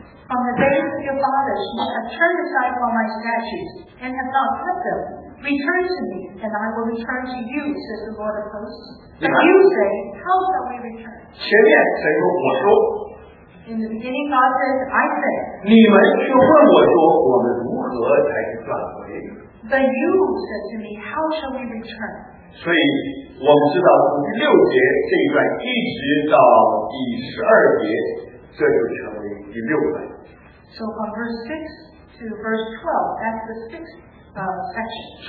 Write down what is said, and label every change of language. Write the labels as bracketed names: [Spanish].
[English] From the days of your fathers, you have turned aside from my statutes and have not kept them. Return to me, and I will return to you, says the Lord of hosts. But you say, how shall we return? [Chinese] 前面谁说我说？ [English] In the beginning, God says, I say. [Chinese] 你们却问我说，我们如何才转回？ [English] But you said to me, how shall we return? [Chinese] 所以我们知道从第六节这一段一直到第十二节，这就成为第六段。 [English] So from verse 6 to verse 12, that's the sixth section.